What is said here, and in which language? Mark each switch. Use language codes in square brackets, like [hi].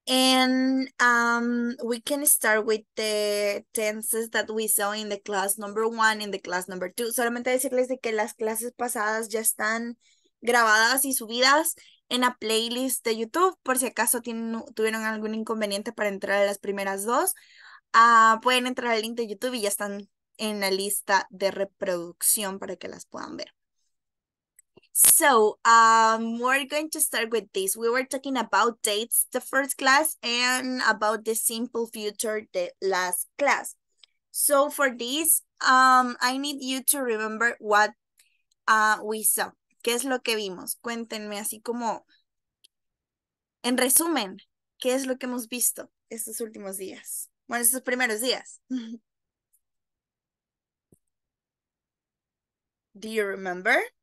[en] And we can start with the tenses that we saw in the class number one, in the class number two. [es] Solamente decirles de que las clases pasadas ya están grabadas y subidas en la playlist de YouTube, por si acaso tuvieron algún inconveniente para entrar a las primeras dos. Pueden entrar al link de YouTube y ya están en la lista de reproducción para que las puedan ver. [en] So, we're going to start with this. We were talking about dates, the first class, and about the simple future, the last class. So for this, I need you to remember what we saw. [es] ¿Qué es lo que vimos? Cuéntenme así como, en resumen, ¿qué es lo que hemos visto estos últimos días? Bueno, estos primeros días. [en] Do you remember?